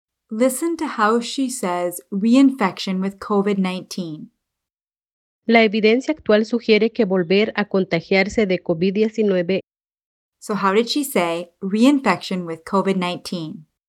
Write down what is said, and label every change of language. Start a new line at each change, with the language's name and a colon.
English: Listen to how she says reinfection with COVID-19.
Spanish: La evidencia actual sugiere que volver a contagiarse de COVID-19.
English: So how did she say reinfection with COVID-19?